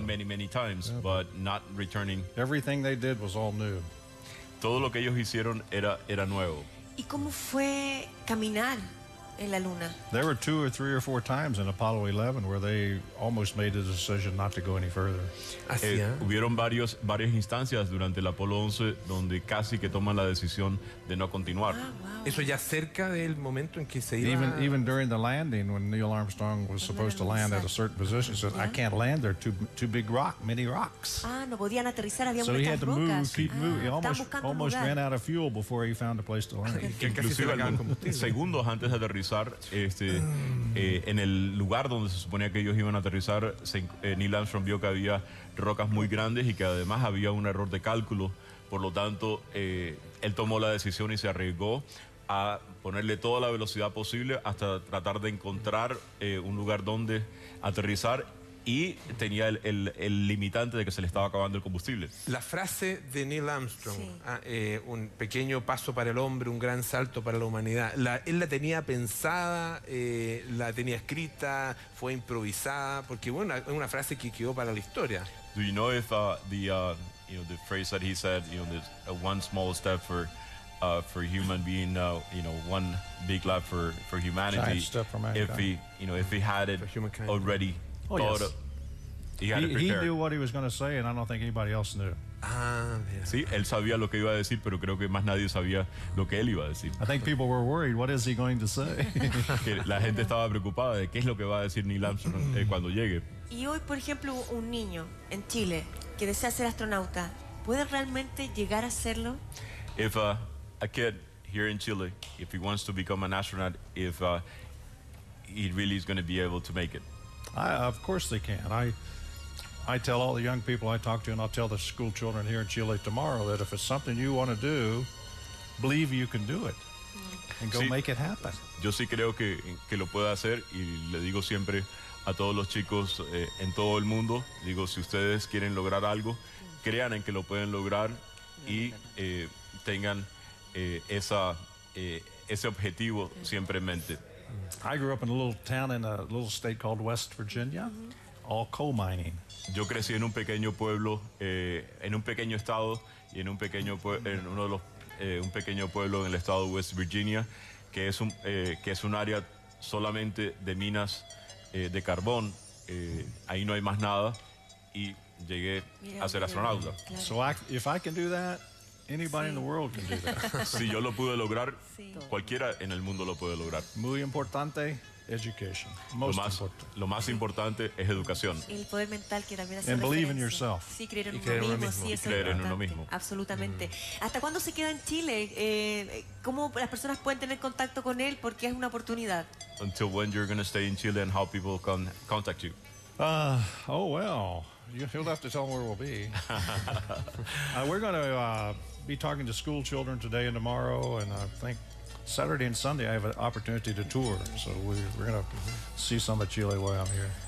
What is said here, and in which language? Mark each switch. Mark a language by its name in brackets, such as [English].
[English] Done many, many times, yeah, but not returning. Everything they did was all new. [Spanish] Todo lo que ellos hicieron era nuevo. ¿Y cómo fue caminar en la luna? [English] There were two or three or four times in Apollo 11 where they almost made the decision not to go any further. [Spanish] Hubieron varias instancias durante el Apolo 11 donde casi que toman la decisión de no continuar. [English] Ah, wow. [Spanish] Eso ya cerca del momento en que se iba. [English] Even during the landing, when Neil Armstrong was supposed to land at a certain position, he said, "I can't land there. Too big rock, many rocks." [Spanish] Ah, no podían aterrizar. Había [English] so he had to [Spanish] rocas. [English] Move, keep moving. He almost ran out of fuel before he found a place to land. [Spanish] Inclusive, segundos antes de aterrizar, en el lugar donde se suponía que ellos iban a aterrizar, Neil Armstrong vio que había rocas muy grandes y que además había un error de cálculo. Por lo tanto, él tomó la decisión y se arriesgó a ponerle toda la velocidad posible hasta tratar de encontrar un lugar donde aterrizar, y tenía el limitante de que se le estaba acabando el combustible. La frase de Neil Armstrong, sí. Un pequeño paso para el hombre, un gran salto para la humanidad. Él la tenía pensada, la tenía escrita, fue improvisada, porque bueno, es una frase que quedó para la historia. [English] Do you know if you know, the phrase that he said, you know, this one small step for human being, you know, one big leap for humanity. Giant step for mankind. If he, you know, if he had it already thought of, he knew what he was going to say, and I don't think anybody else knew. [Spanish] Sí, él sabía lo que iba a decir, pero creo que más nadie sabía lo que él iba a decir. [English] I think people were worried, what is he going to say? [Spanish] La gente estaba preocupada de qué es lo que va a decir Neil Armstrong cuando llegue. Y hoy, por ejemplo, un niño en Chile que desea ser astronauta, ¿puede realmente llegar a serlo? [English] If a kid here in Chile, if he wants to become an astronaut, if he really is going to be able to make it. Of course they can. I tell all the young people I talk to, and I'll tell the school children here in Chile tomorrow, that if it's something you want to do, believe you can do it and go, [Spanish] sí, [English] make it happen. [Spanish] Yo sí creo que lo puedo hacer, y le digo siempre a todos los chicos en todo el mundo, digo, si ustedes quieren lograr algo, crean en que lo pueden lograr y tengan ese objetivo siempre en mente. [English] I grew up in a little town in a little state called West Virginia, all coal mining. [Spanish] Yo crecí en un pequeño pueblo, en un pequeño estado, y en un pequeño en uno de los un pequeño pueblo en el estado de West Virginia, que es un área solamente de minas de carbón. Ahí no hay más nada, y llegué a ser astronauta. [English] So if I can do that, anybody, sí, in the world can do that. [Spanish] Si yo lo pude lograr, sí, cualquiera en el mundo lo puede lograr. Muy importante. [English] Education. Most [Spanish] lo más importante es educación. El poder mental, que también hace [English] And believe [Spanish] referencia. [English] In yourself. [Spanish] Sí, creer en uno mismo. Sí, eso creer es en uno mismo. Absolutamente. ¿Hasta cuándo se queda en Chile? ¿Cómo las personas pueden tener contacto con él? Porque es una oportunidad. [English] until when you're going to stay in Chile and how people can contact you. You'll have to tell them where we'll be. We're going to be talking to school children today and tomorrow, and I think Saturday and Sunday I have an opportunity to tour, so we're going to see some of Chile while I'm here.